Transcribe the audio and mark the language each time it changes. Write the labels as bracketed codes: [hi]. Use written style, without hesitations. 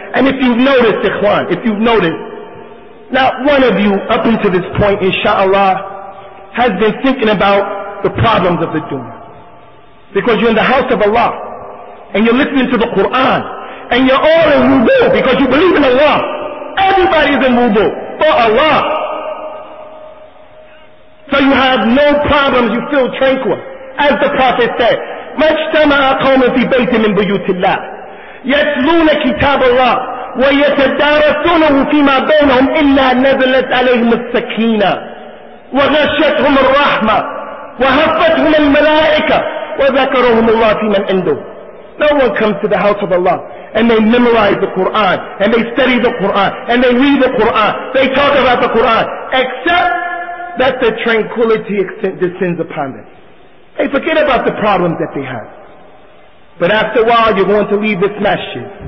[en] And if you've noticed, ikhwan, if you've noticed, not one of you up until this point, inshallah, has been thinking about the problems of the dunya. Because you're in the house of Allah, and you're listening to the Quran, and you're all in wudu because you believe in Allah. Everybody's in wudu for Allah. So you have no problems, you feel tranquil. As the Prophet said, [ar] مَجْتَمَعَ قَوْمٍ فِي بَيْتٍ مِنْ بُيُوتِ اللَّهِ يَتْلُونَ كِتَابَ اللَّهِ وَيَتَدَارَسُونَهُ فِي مَا بَيْنَهُمْ إِلَّا نَزَلَتْ عَلَيْهِمُ السَّكِينَةُ وَغَشَّتْهُمْ الرَّحْمَةُ وَهَفَّتْهُمُ الْمَلَائِكَةُ وَذَكَرَهُمُ اللَّهُ فِيمَنْ عِنْدَهُ. [en] No one comes to the house of Allah and they memorize the Quran and they study the Quran and they read the Quran. They talk about the Quran except that the tranquility descends upon them. They forget about the problems that they have. But after a while, you're going to leave this masjid.